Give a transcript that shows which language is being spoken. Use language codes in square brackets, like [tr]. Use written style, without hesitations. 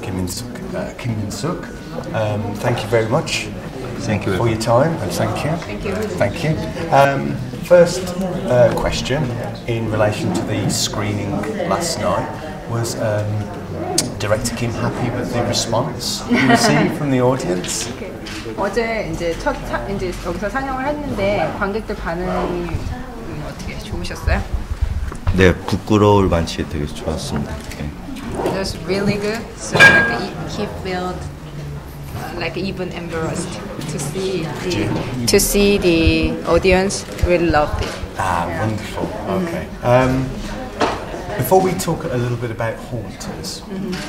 [en] Kim Min-suk. Thank you very much. Thank you for your time, and thank you. Thank you. Thank you. First question in relation to the screening last night was director Kim happy with the response you received from the audience? Okay. [ko] 어제 이제 첫 이제 여기서 상영을 했는데 관객들 반응이 어떻게 좋으셨어요? 네, 부끄러울 만치에 되게 좋았습니다. [en] It was really good. So like he felt like even embarrassed to see the audience really loved it. Ah, yeah. Wonderful. Okay. Mm-hmm. Before we talk a little bit about Haunters, mm-hmm.